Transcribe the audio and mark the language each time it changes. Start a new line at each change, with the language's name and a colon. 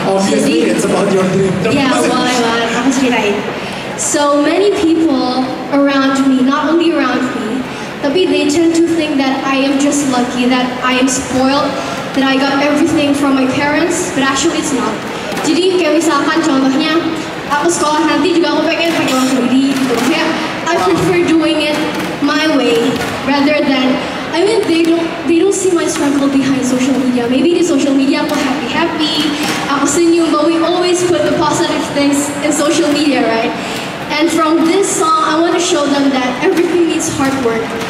English: Obviously,
Indonesian: jadi,
English: it's about your dream.
Indonesian: Ya, boleh-boleh, aku ceritain.
English: So many people around me, not only around me,
Indonesian: tapi
English: they tend to think that I am just lucky, that I am spoiled, that I got everything from my parents, but actually it's not.
Indonesian: Jadi kayak misalkan contohnya, aku sekolah nanti juga aku pengen pakai uang sendiri gitu. Kayak,
English: I prefer doing it my way, rather than, I mean they don't see my struggle behind social media. Maybe di social media aku happy-happy,
Indonesian: aku senyum,
English: but we always put the positive things in social media, right? And from this song, I want to show them that everything needs hard work.